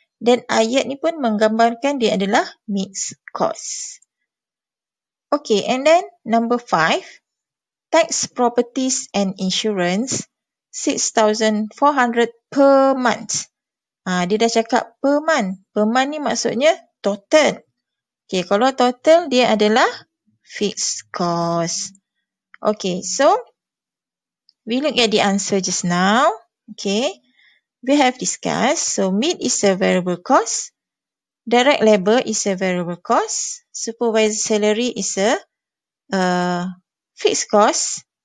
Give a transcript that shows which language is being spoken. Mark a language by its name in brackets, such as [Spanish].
[Malay] Dan ayat ni pun menggambarkan dia adalah mixed cost. [English] Okay, and then number five, tax properties and insurance RM6,400 per month. [Malay] Dia dah cakap per month. Per month ni maksudnya total. Okay, kalau total dia adalah fixed cost. [English] Okay, so we look at the answer just now. Okay, we have discussed. So, meat is a variable cost. Direct labor is a variable cost. Supervisor salary is a fixed cost.